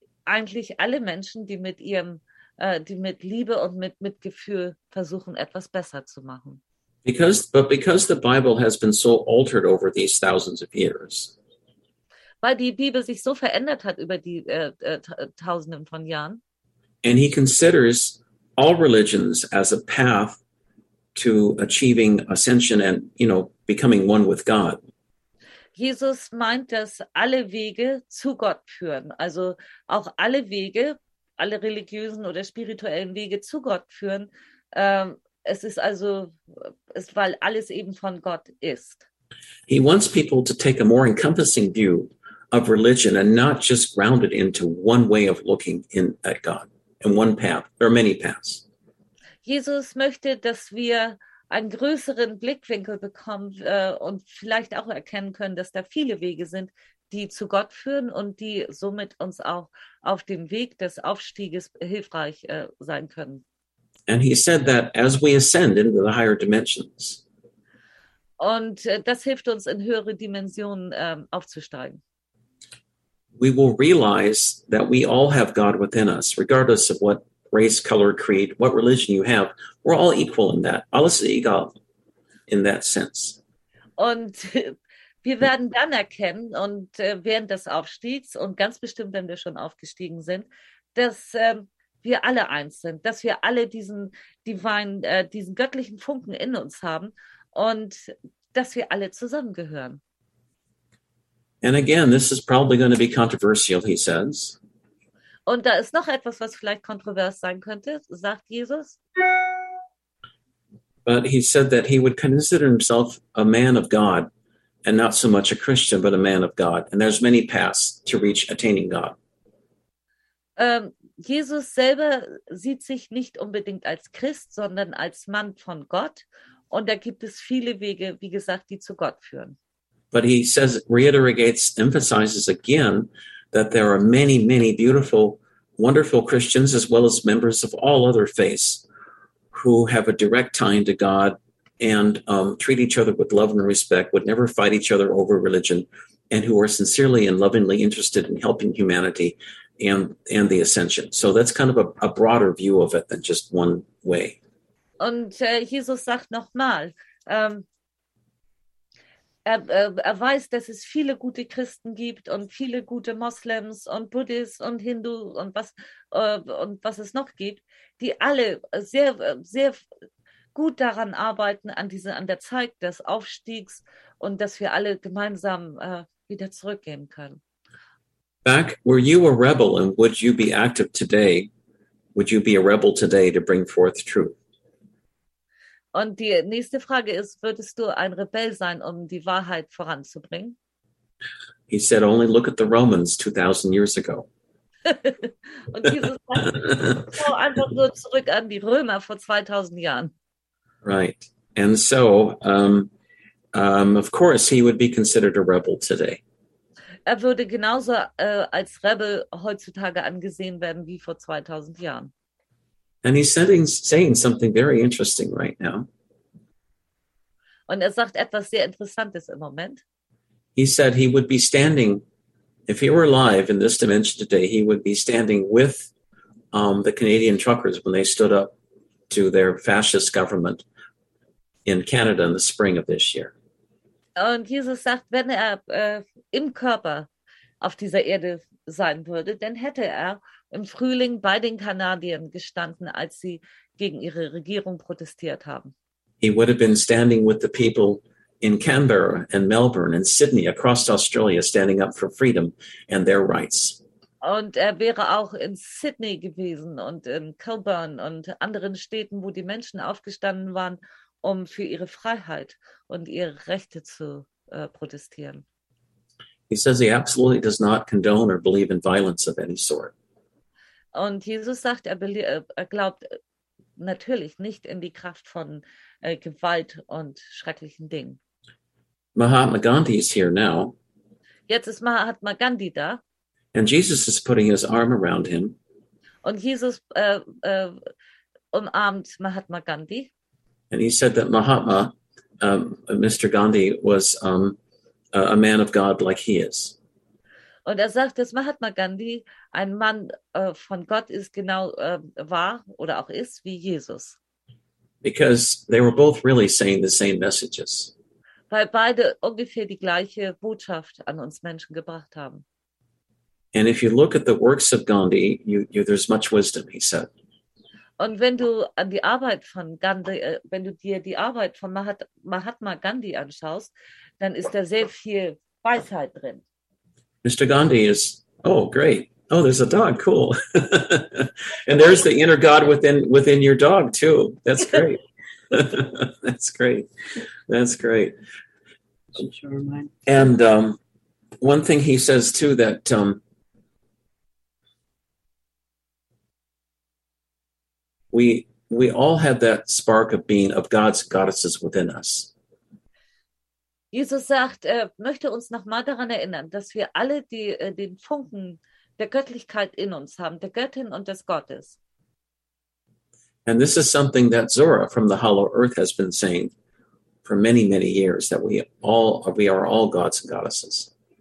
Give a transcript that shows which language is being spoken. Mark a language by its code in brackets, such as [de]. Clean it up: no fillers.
[de] Eigentlich alle Menschen, die mit ihrem, die mit Liebe und mit Mitgefühl versuchen, etwas besser zu machen. [en] Because the Bible has been so altered over these thousands of years. [de] Weil die Bibel sich so verändert hat über die Tausenden von Jahren. [en] And he considers all religions as a path to achieving ascension and, you know, becoming one with God. [de] Jesus meint, dass alle Wege zu Gott führen. Also auch alle Wege, alle religiösen oder spirituellen Wege zu Gott führen. Es ist also, es, weil alles eben von Gott ist. [en] He wants people to take a more encompassing view of religion and not just ground it into one way of looking in at God. And one path, there are many paths. [de] Jesus möchte, dass wir einen größeren Blickwinkel bekommen und vielleicht auch erkennen können, dass da viele Wege sind, die zu Gott führen und die somit uns auch auf dem Weg des Aufstieges hilfreich sein können. [en] And he said that as we ascend into the higher dimensions. [de] Und das hilft uns, in höhere Dimensionen aufzusteigen. [en] We will realize that we all have God within us, regardless of what race, color, creed, what religion you have. We're all equal in that. [de] Alles ist egal [en] in that sense. [de] Und wir werden dann erkennen, und während des Aufstiegs und ganz bestimmt, wenn wir schon aufgestiegen sind, dass wir alle eins sind, dass wir alle diesen divine, diesen göttlichen Funken in uns haben und dass wir alle zusammengehören. [en] And again, this is probably going to be controversial, he says. [de] Und da ist noch etwas, was vielleicht kontrovers sein könnte, sagt Jesus. [en] But he said that he would consider himself a man of God and not so much a Christian, but a man of God. And there's many paths to reach attaining God. [de] Jesus selber sieht sich nicht unbedingt als Christ, sondern als Mann von Gott. Und da gibt es viele Wege, wie gesagt, die zu Gott führen. [en] But he says, reiterates, emphasizes again that there are many, many beautiful, wonderful Christians as well as members of all other faiths who have a direct tie to God and treat each other with love and respect, would never fight each other over religion, and who are sincerely and lovingly interested in helping humanity and the ascension. So that's kind of a broader view of it than just one way. [de] Und Jesus sagt nochmal, er weiß, dass es viele gute Christen gibt und viele gute Moslems und Buddhisten und Hindu und was es noch gibt, die alle sehr, sehr gut daran arbeiten, an der Zeit des Aufstiegs und dass wir alle gemeinsam wieder zurückgehen können. [en] Back, were you a rebel and would you be active today? Would you be a rebel today to bring forth truth? [de] Und die nächste Frage ist, würdest du ein Rebell sein, um die Wahrheit voranzubringen? [en] He said, only look at the Romans 2000 years ago. [de] Und Jesus sagt, schau einfach nur zurück an die Römer vor 2000 Jahren. [en] Right. And so, of course, he would be considered a rebel today. [de] Er würde genauso als Rebel heutzutage angesehen werden wie vor 2000 Jahren. [en] And he's saying something very interesting right now. [de] Und sagt etwas sehr Interessantes im Moment. [en] He said he would be standing, if he were alive in this dimension today, he would be standing with the Canadian truckers when they stood up to their fascist government in Canada in the spring of this year. [de] Und Jesus sagt, wenn er im Körper auf dieser Erde sein würde, dann hätte er im Frühling bei den Kanadiern gestanden, als sie gegen ihre Regierung protestiert haben. [en] He would have been standing with the people in Canberra and Melbourne and Sydney across Australia, standing up for freedom and their rights. [de] Und er wäre auch in Sydney gewesen und in Melbourne und anderen Städten, wo die Menschen aufgestanden waren, um für ihre Freiheit und ihre Rechte zu protestieren. [en] He says he absolutely does not condone or believe in violence of any sort. [de] Und Jesus sagt, er glaubt natürlich nicht in die Kraft von Gewalt und schrecklichen Dingen. [en] Mahatma Gandhi is here now. [de] Jetzt ist Mahatma Gandhi da. [en] And Jesus is putting his arm around him. [de] Und Jesus umarmt Mahatma Gandhi. [en] And he said that Mahatma, Mr. Gandhi, was a man of God like he is. [de] Und sagt, dass Mahatma Gandhi ein Mann von Gott ist, genau war oder auch ist wie Jesus. [en] Because they were both really saying the same messages. [de] Weil beide ungefähr die gleiche Botschaft an uns Menschen gebracht haben. [en] And if you look at the works of Gandhi, there's much wisdom, he said. [de] Und wenn du an die Arbeit von Gandhi, wenn du dir die Arbeit von Mahatma Gandhi anschaust, dann ist da sehr viel Weisheit drin. [en] Mr. Gandhi is, oh, great. Oh, there's a dog, cool. And there's the inner God within your dog, too. That's great. That's great. And one thing he says, too, that we all have that spark of being of God's goddesses within us. [de] Jesus sagt, er möchte uns nochmal daran erinnern, dass wir alle den Funken der Göttlichkeit in uns haben, der Göttin und des Gottes. [en] And this is something that Zora from the Hollow Earth has been saying for many, many years, that we are all gods and goddesses.